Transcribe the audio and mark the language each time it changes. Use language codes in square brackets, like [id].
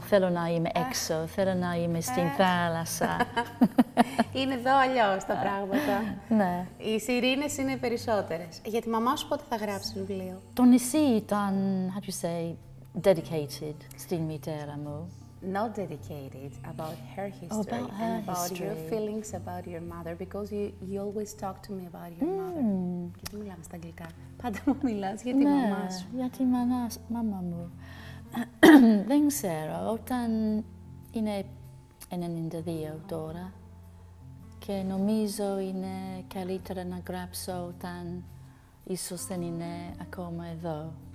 [el] Θέλω να είμαι έξω, θέλω να είμαι στην θάλασσα. Είναι εδώ αλλιώς τα πράγματα. Ναι. Οι σιρήνες είναι περισσότερες. Για τη μαμά σου πότε θα γράψει βιβλίο? Το νησί ήταν, [en] how do you say, dedicated [el] στην μητέρα μου. [en] Not dedicated, about her history about her and about history. Your feelings about your mother, because you always talk to me about your mother. [el] Γιατί μιλάμε στα αγγλικά. Πάντα μου μιλάς για τη μαμά σου. Για τη μαμά μου. Δεν ξέρω, όταν είναι 92 τώρα και νομίζω είναι καλύτερα να γράψω όταν ίσως δεν είναι ακόμα εδώ.